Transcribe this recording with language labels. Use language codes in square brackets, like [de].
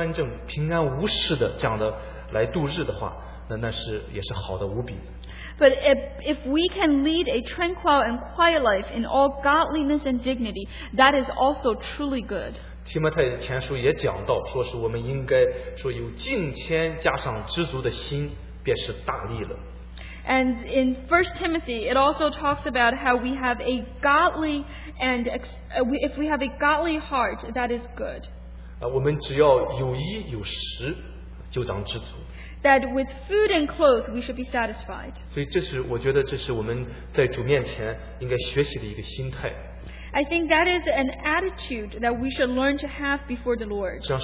[zh] 但是呢，若是我们能够进到一个与主交通，常常能够来敬虔端正、平安无事的这样的来度日的话。 [en] But if we can lead a tranquil and quiet life in all godliness and dignity, that is also truly good. [zh] 提摩太前书也讲到，说是我们应该说有敬虔加上知足的心，便是大力了。 [en] And in 1 Timothy, it also talks about how we have a godly and if we have a godly heart, that is good. [zh] 我们只要有衣有食，就当知足。 [en] That with food and clothes we should be satisfied. [zh] 所以这是我觉得这是我们在主面前应该学习的一个心态。 [en] I think that is an attitude that we should learn to have before the Lord.